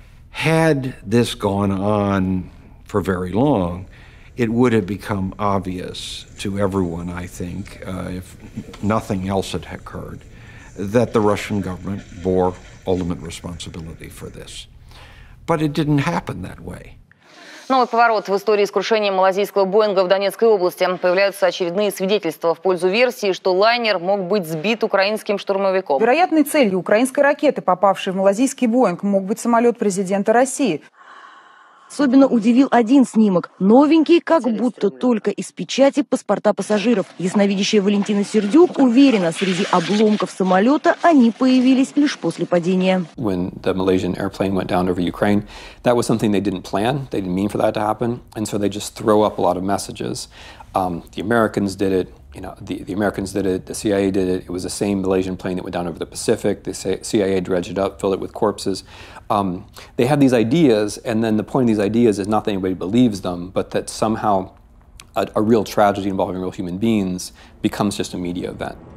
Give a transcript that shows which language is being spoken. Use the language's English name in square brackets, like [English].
[English] Had this gone on for very long, it would have become obvious to everyone, I think, if nothing else had occurred, that the Russian government bore ultimate responsibility for this. But it didn't happen that way. [Russian] Новый поворот в истории с крушением малазийского Боинга в Донецкой области. Появляются очередные свидетельства в пользу версии, что лайнер мог быть сбит украинским штурмовиком. Вероятной целью украинской ракеты, попавшей в малазийский Боинг, мог быть самолет президента России. Особенно удивил один снимок. Новенький, как будто только из печати паспорта пассажиров. Ясновидящая Валентина Сердюк уверена, среди обломков самолета они появились лишь после падения. [English] When the Malaysian airplane went down over Ukraine, that was something they didn't plan. They didn't mean for that to happen. And so they just throw up a lot of messages. The Americans did it. You know, the Americans did it. The CIA did it. It was the same Malaysian plane that went down over the Pacific. The CIA dredged it up, filled it with corpses. They have these ideas, and then the point of these ideas is not that anybody believes them, but that somehow a real tragedy involving real human beings becomes just a media event.